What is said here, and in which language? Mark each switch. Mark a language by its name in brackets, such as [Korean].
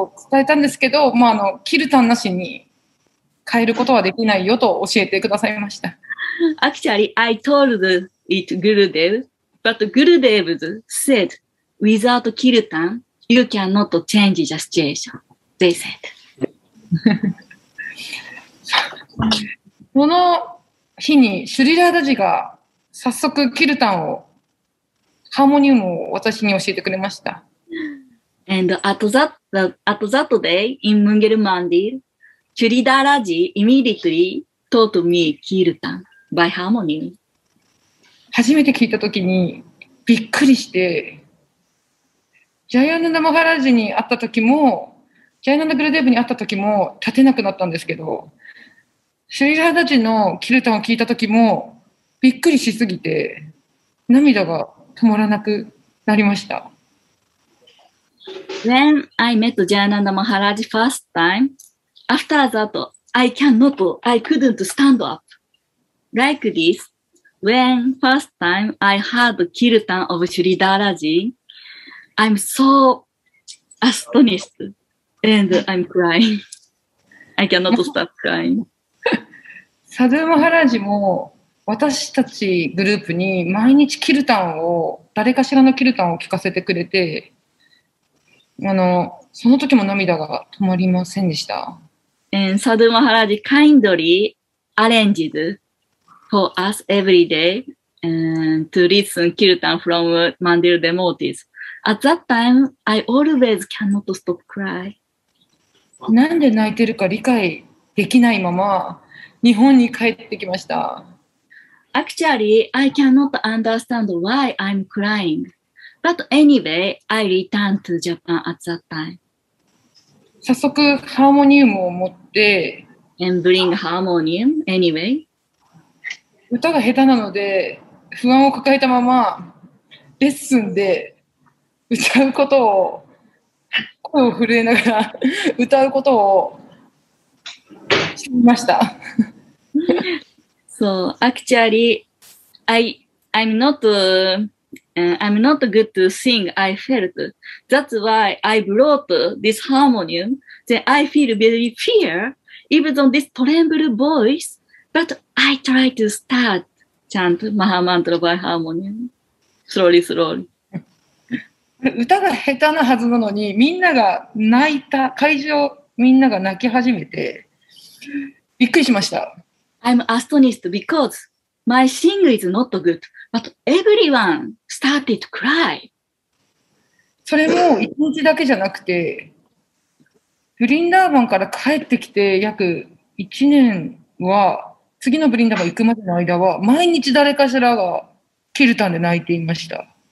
[Japanese] 伝えたんですけど、まあ、あの、キルタンなしに変えることはできないよと教えてくださいました。 [English] Actually, I told it Gurudev, but Gurudev said, without Kirtan, you cannot change the situation, they said. [Japanese] この日にシュリラーダジが早速キルタンをハーモニウムを私に教えてくれました。 [English] And at that day in Mungel Mandir Churidaraji immediately taught me キルタン by ハーモニウム。 [Japanese] 初めて聞いた時にびっくりして、ジャイアナンダ・マハラジに会った時もジャイアナンダ・グルデーブに会った時も立てなくなったんですけど、シュリラダジのキルタンを聞いた時もびっくりしすぎて涙が止まらなくなりました。 [English] When I met Jayananda Maharaj first time, after that, I couldn't stand up. Like this, when first time I heard Kirtan of Shri Dharaji, I'm so astonished and I'm crying. I cannot stop crying. [Japanese] サドゥマハラジも私たちグループに毎日キルタンを、誰かしらのキルタンを聞かせてくれて、あの、その時も涙が止まりませんでした。 [English] And Sadhu Maharaj kindly arranged for us every day to listen Kirtan from Mandir Demotis. At that time, I always cannot stop cry. [Japanese] なんで泣いてるか理解できないまま日本に帰ってきました。 [English] Actually, I cannot understand why I'm crying. But anyway, I returned to Japan at that time. [Japanese] 早速ハーモニウムを持って [English] And bring harmonium anyway. [Japanese] 歌が下手なので不安を抱えたままレッスンで歌うことを、声を震えながら歌うことをしてみました。 [English] So actually, I'm not good to sing, I felt. That's why I brought this harmonium. Then I feel very fear, even on this tremble voice. But I try to start chant Mahamantra by harmonium, slowly, slowly. [Japanese] 歌が下手なはずなのに、みんなが泣いた、会場みんなが泣き始めて、びっくりしました。 [English] I'm astonished because my singing is not good, but everyone started to cry. [Japanese] それも一日だけじゃなくて、ブリンダーバンから帰ってきて約1年は、次のブリンダーバン行くまでの間は、毎日誰かしらがキルタンで泣いていました。